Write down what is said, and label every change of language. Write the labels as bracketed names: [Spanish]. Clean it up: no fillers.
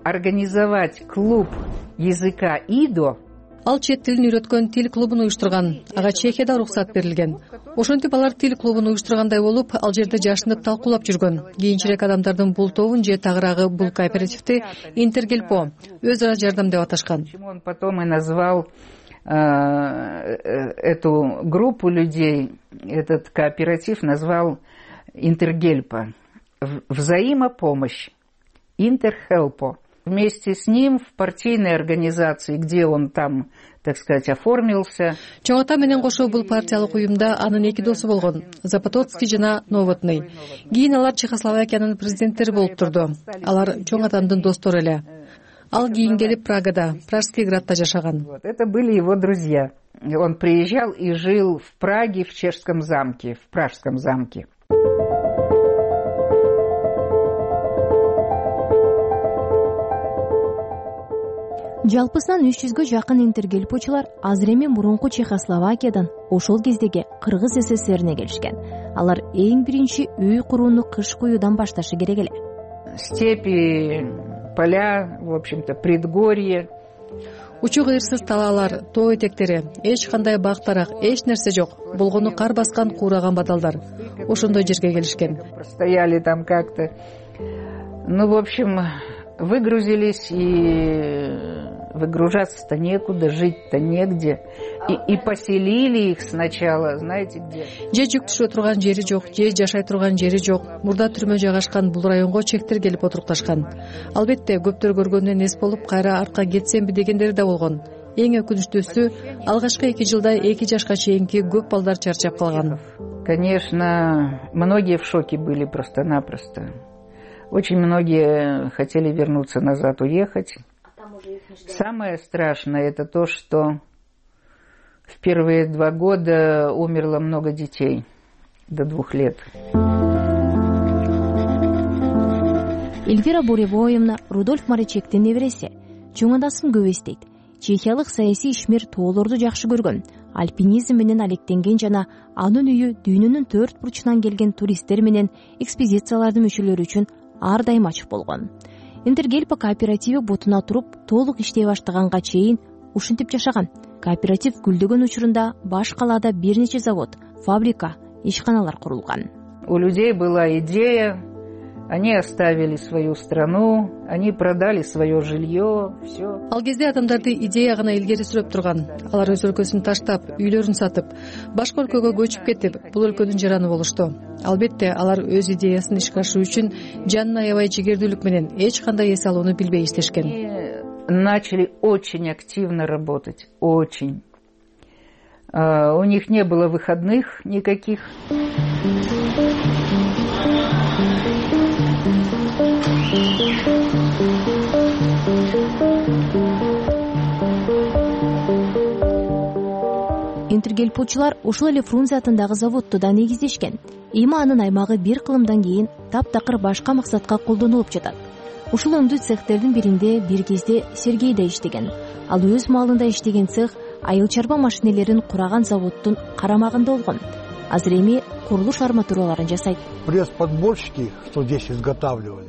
[Russian] Организовать клуб языка ИДО. [Kyrgyz] Ал чет тилин үйрөткөн тил клубун уюштурган. Ага Чехияда уруксат берилген. Ошентип алар тил клубун уюштургандай болуп, ал жерде жашынып талкуулап жүргөн. Кийинчерээк адамдардын бул тобун же тагыраагы бул кооперативти Интергельпо өз ара жардам деп аташкан. [Russian] Он потом и назвал эту группу людей, этот кооператив назвал Интергельпо. Взаимопомощь. Интерхелпо. Вместе с ним в партийной организации, где он там, так сказать, оформился. [Kyrgyz] Чоңата менен кошо бул партиялык уюмда анын эки досу болгон. Запотоцкий жана Новотный. Кийин алар Чехословакиянын президенттери болуп турду. Алар Чоңатандын достору эле. Ал кийин келип Прагада, Пражский градта жашаган. [Russian] Это были его друзья. Он приезжал и жил в Праге, в чешском замке, в Пражском замке. [Kyrgyz] Жалпысынан 300 жакын интергельпочулар азыр эми мурунку Чехословакиядан ошол кездеги Кыргыз ССРине келишкен. Алар эң биринчи үй курууну кыш куюудан башташы керек эле. [Russian] Степи, поля, в общем-то, предгорье. [Kyrgyz] Учу кыйырсыз талаалар, тоо этектери, эч кандай бак тарак, эч нерсе жок. Болгону кар баскан кураган бадалдар. Ошондой жерге келишкен. [Russian] Стояли там как-то. Ну, в общем, выгрузились и выгружаться-то некуда, жить-то негде. И поселили их сначала, знаете, где? [Kyrgyz] Же жүк түшө турган жери жок, же жашай турган жери жок. Мурда түрмө жайгашкан бул районго чектер келип отурукташкан. Албетте, көптөр көргөндөн эс болуп, кайра артка кетсемби дегендери да болгон. Эң өкүнүчтүүсү, алгачкы 2 жылда 2 жашка чейинки көп балдар чарчап калган. [Russian] Конечно, многие в шоке были просто-напросто. Очень многие хотели вернуться назад, уехать. Самое страшное это то, что в первые 2 года умерло много детей до 2 лет. [Kyrgyz] Эльвира Буревоевна Рудольф Марачектин небереси. Чоңадасын көбөстөйт. Чехиялык саясий ишмер тоолорду жакшы көргөн. Альпинизм менен алектенген жана анын үйү дүйнөнүн 4 бурчунан келген туристтер менен экспедициялардын мүчөлөрү үчүн ар дайым ачык болгон. Интергельпа кооперативи бутуна туруп, толук иштей баштаганга чейин ушинтип жашаган. Кооператив гүлдөгөн учурунда баш калада бир нече завод, фабрика, ишканалар курулган. [Russian] У людей была идея, они оставили свою страну, они продали свое жилье, все. [Kyrgyz] Ал кезде адамдарды идея гана илгери сүрөп турган. Алар өз өлкөсүн таштап, үйлөрүн сатып, башка өлкөгө көчүп кетип, бул өлкөнүн жараны болушту. Албетте, алар өз идеясын ишке ашыруу үчүн жанын аябай жигердүүлүк менен эч кандай эс алууну билбей иштешкен. [Russian] Начали очень активно работать, очень. У них не было выходных никаких. [Kyrgyz] Интергельпочулар ушул эле Фрунзе атындагы заводту да негиздешкен. Эми анын аймагы бир кылымдан кийин таптакыр башка максатка колдонулуп жатат. Ушул оңдуу цехтердин биринде бир кезде Сергей да иштеген. Ал өз маалында иштеген цех айыл чарба машинелерин кураган заводдун карамагында болгон. Азыр эми курулуш арматураларын жасайт. [Russian] Пресс-подборщики, что здесь изготавливают.